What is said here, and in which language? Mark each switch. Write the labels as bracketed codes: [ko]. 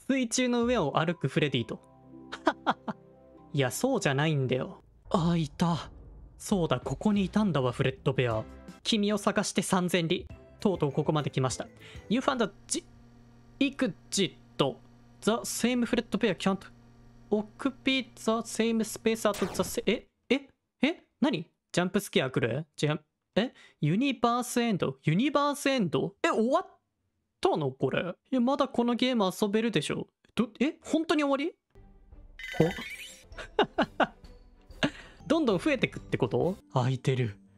[ja] 水中の上を歩くフレディと。いや、そうじゃないんだよ。あ、いた。そうだ、ここにいたんだわ、フレッドベア。君を探して三千里。とうとうここまで来ました。 [en] You found a [ja] ジ、イクジット。 [en] The same フレッドベア can't occupy the same space at the same、 [ja] え何？ジャンプスケア来る？違う。え、ユニバースエンド、ユニバースエンド、え、終わったのこれ。いや、まだこのゲーム遊べるでしょ。え、本当に終わり？お、どんどん増えてくってこと？空いてる。